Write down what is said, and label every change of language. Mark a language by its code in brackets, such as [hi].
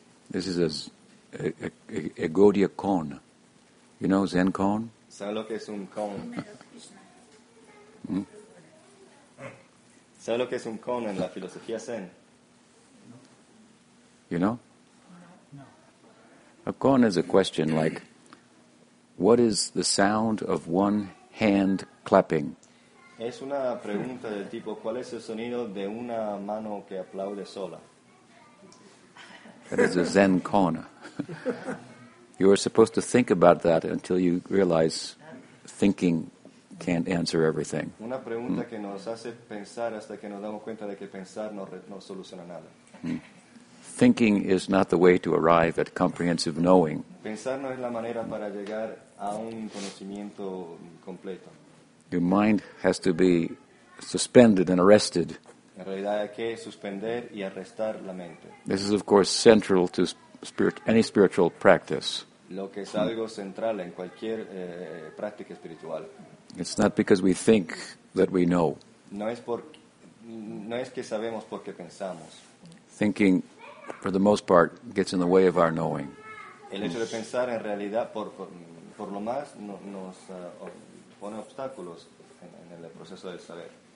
[en] This is a Gaudiya cone. You know Zen cone? [es] ¿Sabe lo que es un cone? ¿Sabe lo que es un cone en la filosofía Zen? [en] You know? A cone is a question like, what is the sound of one hand clapping? [es] Es una pregunta del tipo, ¿cuál es el sonido de una mano que aplaude sola? [en] That is a Zen corner. You are supposed to think about that until you realize thinking can't answer everything. [es] Una pregunta que nos hace pensar hasta que nos damos cuenta de que pensar no soluciona nada. [en] Thinking is not the way to arrive at comprehensive knowing. [es] Pensar no es la manera para llegar a un conocimiento completo. [en] Your mind has to be suspended and arrested. [es] En realidad hay que suspender y arrestar la mente. [en] This is of course central to any spiritual practice. [es] Lo que es algo central en cualquier práctica espiritual. [en] It's not because we think that we know. [es] No es que sabemos porque pensamos. [en] Thinking, for the most part, gets in the way of our knowing. [es] El hecho de pensar en realidad por lo más nos pone obstáculos en el proceso del saber.